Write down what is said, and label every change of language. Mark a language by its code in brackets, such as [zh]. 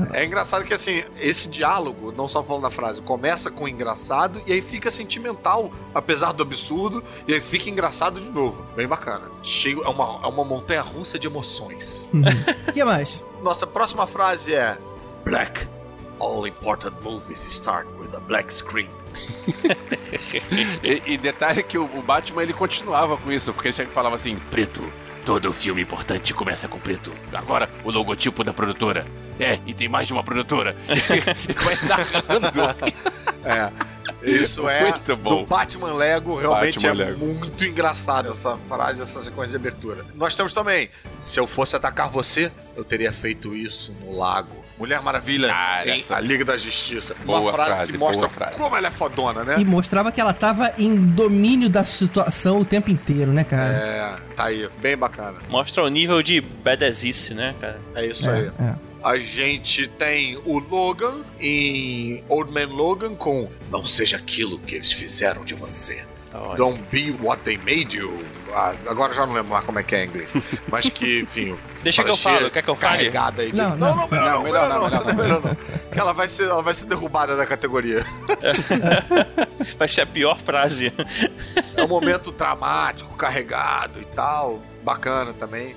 [pt] É engraçado que, assim, esse diálogo, não só falando a frase, começa com engraçado e aí fica sentimental, apesar do absurdo, e aí fica engraçado de novo. Bem bacana. Cheio, é uma montanha russa de emoções. O que mais? Nossa próxima frase é: Black. [en] All important movies start with a black screen. [pt] E detalhe que o Batman, ele continuava com isso, porque ele falava assim: preto. Todo filme importante começa com preto. Agora, o logotipo da produtora. É, e tem mais de uma produtora. Vai narrando. É. Isso é muito bom. Do Batman Lego, realmente Batman é Lego. Muito engraçado essa frase, essa sequência de abertura. Nós temos também: se eu fosse atacar você, eu teria feito isso no lago. Mulher Maravilha, em A Liga da Justiça. Boa uma frase, frase que mostra frase. Como ela é fodona, né? E mostrava que ela tava em domínio da situação o tempo inteiro, né, cara? É, tá aí, bem bacana. Mostra o nível de badassice, né, cara? É isso aí. A gente tem o Logan em Old Man Logan com: não seja aquilo que eles fizeram de você. [en] Oh, don't be what they made you. [pt] Agora já não lembro mais como é que é inglês. Mas que, enfim... Deixa que eu falo, quer que eu fale? Carregada aí. Não, melhor não. Ela vai ser derrubada da categoria. Vai ser a pior frase. É um momento dramático, carregado e tal. Bacana também.